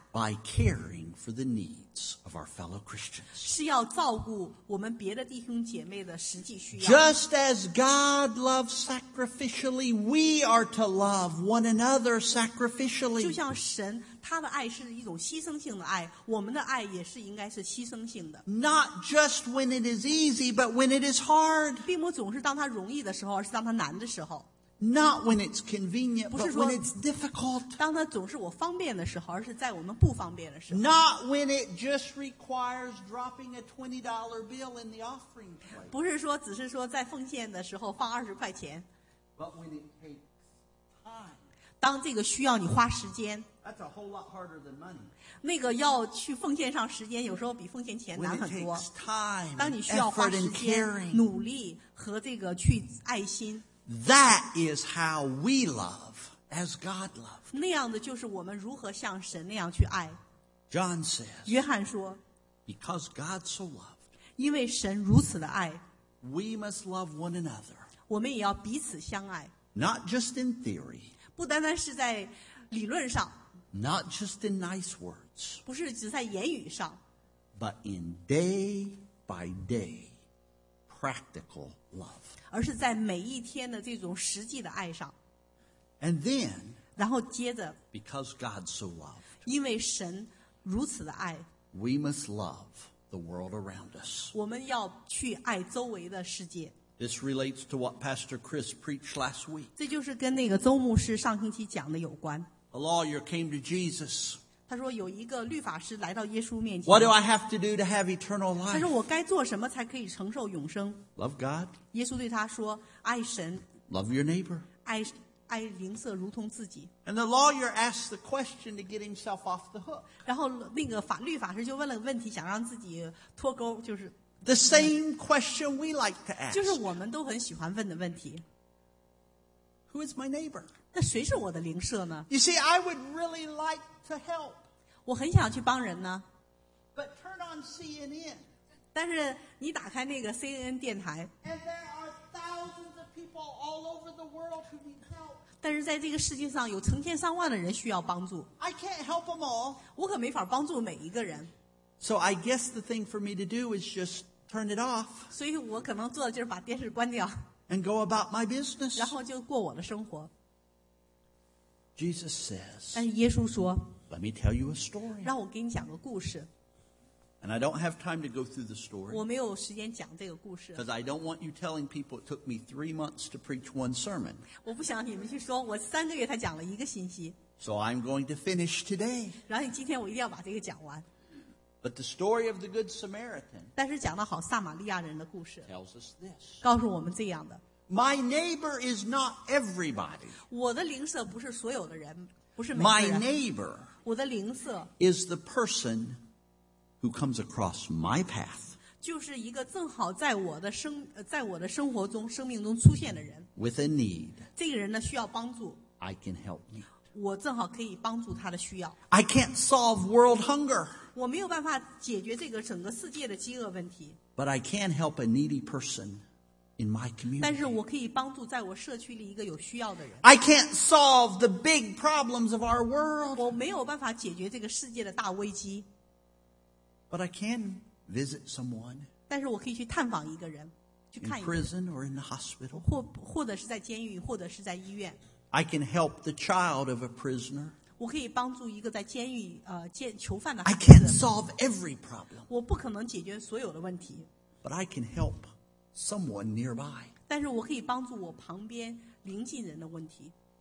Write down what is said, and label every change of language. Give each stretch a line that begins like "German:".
English: by caring for the needs of our fellow Christians.
Chinese: 是要照顾我们别的弟兄姐妹的实际需要。
English: Just as God loves sacrificially, we are to love one another sacrificially.
Chinese: 就像神，他的爱是一种牺牲性的爱，我们的爱也是应该是牺牲性的。
English: Not just when it is easy, but when it is hard.
Chinese: 并不总是当他容易的时候，而是当他难的时候。
English: Not when it's convenient, but when it's difficult.
Chinese: 当它总是我方便的时候，而是在我们不方便的时候。
English: Not when it just requires dropping a $20 bill in the offering plate.
Chinese: 不是说只是说在奉献的时候放20块钱。
English: But when it takes time.
Chinese: 当这个需要你花时间。
English: That's a whole lot harder than money.
Chinese: 那个要去奉献上时间，有时候比奉献钱难很多。
English: When it takes time,
Chinese: 当你需要花时间、努力和这个去爱心。
English: That is how we love as God loved.
Chinese: 那样的就是我们如何像神那样去爱。
English: John says,
Chinese: 约翰说,
English: because God so loved,
Chinese: 因为神如此的爱,
English: we must love one another.
Chinese: 我们也要彼此相爱。
English: Not just in theory,
Chinese: 不单单是在理论上,
English: not just in nice words,
Chinese: 不是只在言语上,
English: but in day by day practical love.
Chinese: 而是在每一天的这种实际的爱上。
English: And then,
Chinese: 然后接着
English: Because God so loved,
Chinese: 因为神如此的爱
English: We must love the world around us.
Chinese: 我们要去爱周围的世界。
English: This relates to what Pastor Chris preached last week.
Chinese: 这就是跟那个周牧师上星期讲的有关。
English: A lawyer came to Jesus.
Chinese: 他说有一个律法师来到耶稣面前。
English: What do I have to do to have eternal life?
Chinese: 他说我该做什么才可以承受永生
English: ？Love God.
Chinese: 耶稣对他说，爱神。
English: Love your neighbor.
Chinese: 爱邻舍如同自己。
English: And the lawyer asked the question to get himself off the hook.
Chinese: 然后那个律法师就问了问题，想让自己脱钩，就是。
English: The same question we like to ask.
Chinese: 就是我们都很喜欢问的问题。
English: Who is my neighbor?
Chinese: 那谁是我的邻舍呢
English: ？You see, I would really like to help.
Chinese: 我很想去帮人呢。
English: But turn on CNN.
Chinese: 但是你打开那个 CNN 电台。
English: And there are thousands of people all over the world who need help.
Chinese: 但是在这个世界上有成千上万的人需要帮助。
English: I can't help them all.
Chinese: 我可没法帮助每一个人。
English: So I guess the thing for me to do is just turn it off.
Chinese: 所以我可能做的就是把电视关掉。
English: And go about my business.
Chinese: 然后就过我的生活。
English: Jesus says.
Chinese: 但耶稣说。
English: Let me tell you a story.
Chinese: 让我给你讲个故事。
English: And I don't have time to go through the story.
Chinese: 我没有时间讲这个故事。
English: Because I don't want you telling people it took me 3 months to preach one sermon.
Chinese: 我不想你们去说我三个月才讲了一个信息。
English: So I'm going to finish today.
Chinese: 然后你今天我一定要把这个讲完。
English: But the story of the Good Samaritan
Chinese: 但是讲到好撒玛利亚人的故事
English: tells us this
Chinese: 告诉我们这样的
English: My neighbor is not everybody
Chinese: 我的邻舍不是所有的人不是每个人
English: My neighbor
Chinese: 我的邻舍
English: is the person who comes across my path
Chinese: 就是一个正好在我的生活中生命中出现的人
English: with a need
Chinese: 这个人呢需要帮助
English: I can help you
Chinese: 我正好可以帮助他的需要
English: I can't solve world hunger
Chinese: 我没有办法解决这个整个世界的饥饿问题。
English: But I can help a needy person in my community.
Chinese: 但是我可以帮助在我社区里一个有需要的人。
English: I can't solve the big problems of our world.
Chinese: 我没有办法解决这个世界的大危机。
English: But I can visit someone.
Chinese: 但是我可以去探访一个人，去看一个人。
English: In prison or in the hospital.
Chinese: 或者是在监狱，或者是在医院。
English: I can help the child of a prisoner.
Chinese: 我可以帮助一个在监狱囚犯的孩子。
English: I can't solve every problem.
Chinese: 我不可能解决所有的问题。
English: But I can help someone nearby.
Chinese: 但是我可以帮助我旁边邻近人的问题。